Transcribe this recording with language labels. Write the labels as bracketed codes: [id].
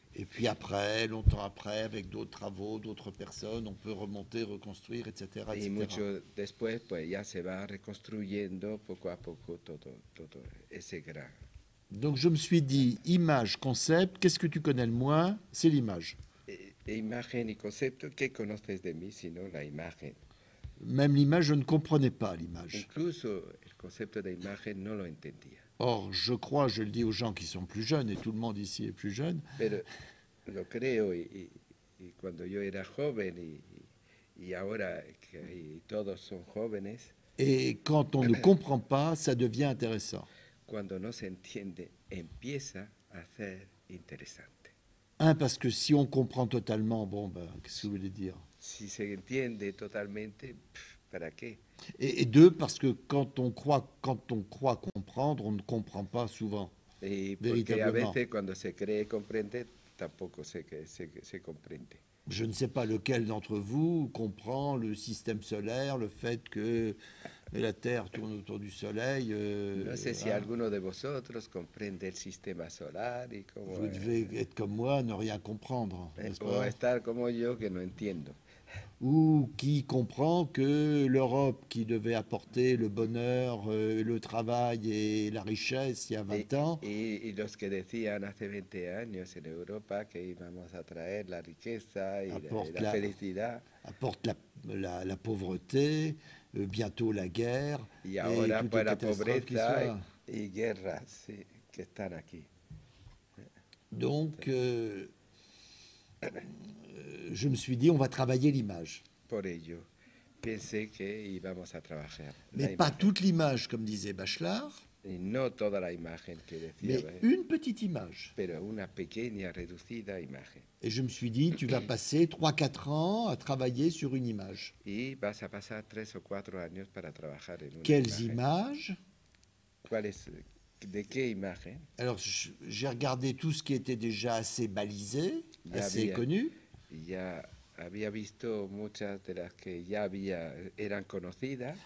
[fr] Et puis après, longtemps après, avec d'autres travaux, d'autres personnes, on peut remonter, reconstruire, etc. [es] Y mucho después, pues ya se va reconstruyendo poco a poco todo ese gran. [fr] Donc je me suis dit, image, concept, qu'est-ce que tu connais le moins? C'est l'image. [es] Imagen y concepto, ¿qué conoces de mí sino la imagen? [fr] Même l'image, je ne comprenais pas l'image. [es] Incluso el concepto de imagen no lo entendía. [fr] Or, je crois, je le dis aux gens qui sont plus jeunes, et tout le monde ici est plus jeune. [es] Pero lo creo, y cuando yo era joven, y ahora que todos son jóvenes. [fr] Et quand on ne comprend pas, ça devient intéressant. [es] Cuando no se entiende, empieza a ser interesante. [fr] Un, parce que si on comprend totalement, bon, ben, qu'est-ce que vous voulez dire? [es] Si se entiende totalmente, para qué? [fr] Et deux, parce que quand on croit comprendre, on ne comprend pas souvent, et véritablement. [es] Porque a veces cuando se cree comprender, tampoco se comprende. [fr] Je ne sais pas lequel d'entre vous comprend le système solaire, le fait que la Terre tourne autour du Soleil. [es] No sé si alguno de vosotros comprende el sistema solar y cómo. [fr] Vous devez être comme moi, ne rien comprendre. [es] O estar como yo que no entiendo. [fr] Ou qui comprend que l'Europe qui devait apporter le bonheur, le travail et la richesse il y a 20 ans. [es] Y los que decían hace 20 años en Europa que íbamos a traer la riqueza y la felicidad. [fr] Apporte la pauvreté, bientôt la guerre. [es] Y ahora pues la pobreza y guerras sí, que están aquí. [fr] Donc. Je me suis dit, on va travailler l'image. [es] Por ello, pensé que íbamos a trabajar. [fr] Mais pas toute l'image, comme disait Bachelard. [es] Y no toda la imagen que decía. [fr] Mais une petite image. [es] Pero una pequeña reducida imagen. [fr] Et je me suis dit, tu vas passer 3-4 ans à travailler sur une image. [es] Y vas a pasar 3 o 4 años para trabajar en una. [fr] Quelles images? [es] ¿Cuáles? De qué imagen? [fr] Alors, j'ai regardé tout ce qui était déjà assez balisé, assez connu. [es] Ya había visto muchas de las que ya había eran conocidas.